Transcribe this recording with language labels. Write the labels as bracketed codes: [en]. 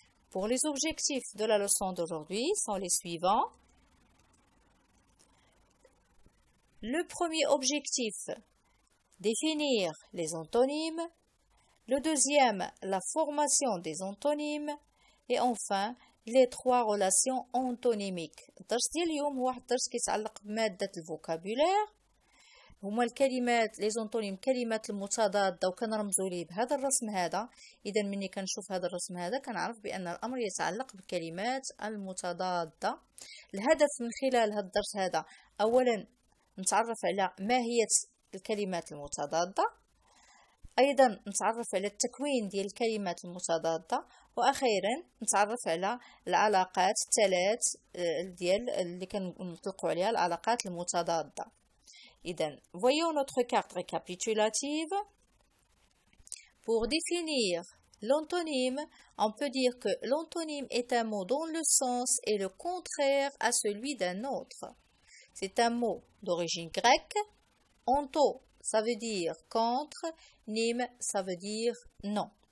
[fr] Pour les objectifs de la leçon d'aujourd'hui sont les suivants. Le premier objectif, définir les antonymes. Le deuxième, la formation des antonymes. Et enfin, les trois relations antonymiques. [ar] الدرس ديال اليوم هو واحد الدرس كيتعلق بمادة الفوكابولير. هما الكلمات لي زونتونيم كلمات المتضادة وكنرمزو ليه بهذا الرسم هذا. إذا مني كنشوف هذا الرسم هذا كنعرف بأن الأمر يتعلق بكلمات المتضادة. الهدف من خلال هذا الدرس هذا أولا نتعرف على ما هي الكلمات المتضادة، أيضا نتعرف على التكوين ديال الكلمات المتضادة، وأخيرا نتعرف على العلاقات الثلاث ديال اللي كنطلقوا عليها العلاقات المتضادة. إذا [fr] voyons notre carte récapitulative. Pour définir l'antonyme, on peut dire que l'antonyme est un mot dont le sens est le contraire à celui d'un autre. C'est un mot d'origine grecque. Anto, ça veut dire contre, nime, ça veut dire non.